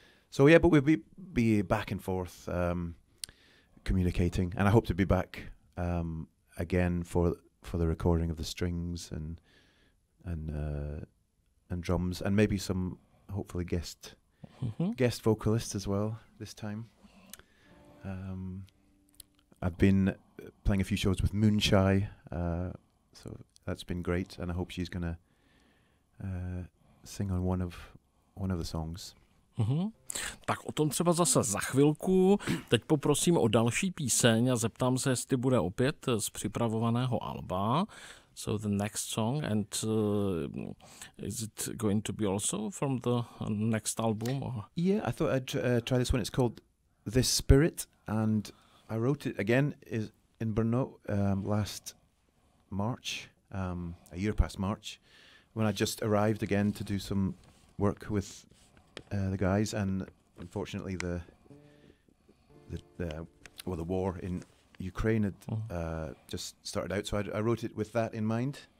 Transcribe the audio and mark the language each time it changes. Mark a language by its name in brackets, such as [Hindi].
[English] So yeah, but we'll be back and forth communicating, and I hope to be back again for the recording of the strings and drums, and maybe some hopefully guest vocalists as well this time. I've been playing a few shows with Moonshy, so that's been great, and I hope she's gonna sing on one of the songs. Mm-hmm. [Czech] Tak o tom třeba zase za chvilku. Teď poprosím o další píseň a zeptám se, jestli bude opět z připravovaného alba. [English] So the next song, and is it going to be also from the next album? Or? Yeah, I thought I'd try this one. It's called This Spirit, and I wrote it again in Brno last March, a year past March, when I just arrived again to do some work with the guys, and unfortunately the war in Ukraine had just started out, so I wrote it with that in mind.